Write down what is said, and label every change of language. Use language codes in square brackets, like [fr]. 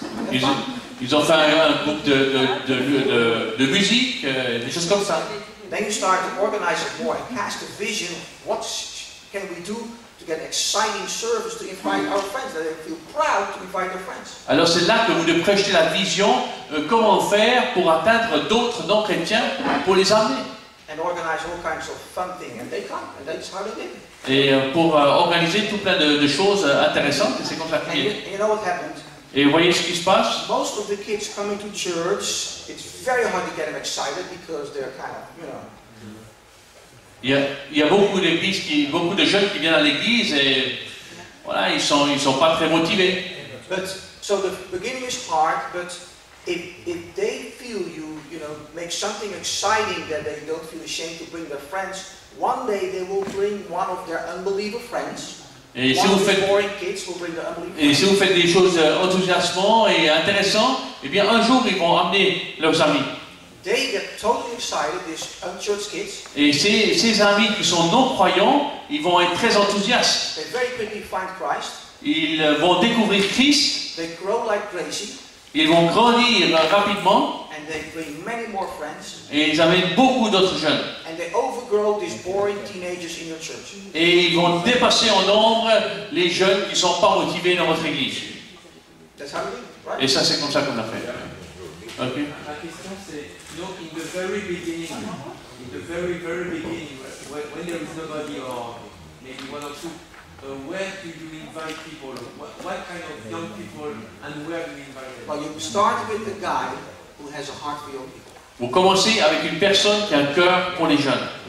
[fr] Ils ont fait un groupe de musique, des choses comme ça. [en] Then you start to organize it more and cast a vision, what can we do? To get exciting service to invite our friends, that they feel proud to invite their friends. [fr] Alors c'est là que vous devez projeter la vision, comment faire pour atteindre d'autres non-chrétiens pour les amener. [en] And organize all kinds of fun things, and they come, and that's how they did. [fr] Et pour organiser tout plein de choses intéressantes, et c'est comme ça qu'il [en] est. And you know what happened? [fr] Et voyez ce qui se passe? [en] Most of the kids coming to church, it's very hard to get them excited because they're kind of, you know. [fr] Il y a beaucoup de jeunes qui viennent à l'église et voilà, ils sont pas très motivés. [en] But so the beginning is hard, but if they feel you know, make something exciting that they don't feel ashamed to bring their friends, one day they will bring one of their unbeliever friends. [fr] Et si vous faites des choses enthousiasmantes et intéressantes, et bien un jour ils vont amener leurs amis. [en] They get totally excited, these unchurched kids. [fr] Et ces amis qui sont non-croyants, ils vont être très enthousiastes. [en] They very quickly find Christ. [fr] Ils vont découvrir Christ. [en] They grow like crazy. [fr] Ils vont grandir rapidement. [en] And they bring many more friends. [fr] Et ils amènent beaucoup d'autres jeunes. [en] And they overgrow these boring teenagers in your church. [fr] Et ils vont dépasser en nombre les jeunes qui ne sont pas motivés dans votre église. [en] That's how we do, right? [fr] Et ça, c'est comme ça qu'on a fait. [en] Okay. [fr] Ma question c'est, donc, [en] in the very, very beginning, when there is nobody or maybe one or two, where do you invite people? What kind of young people and where do you invite them? Well, you start with the guy who has a heart for young people. [fr] Vous commencez avec une personne qui a un cœur pour les jeunes.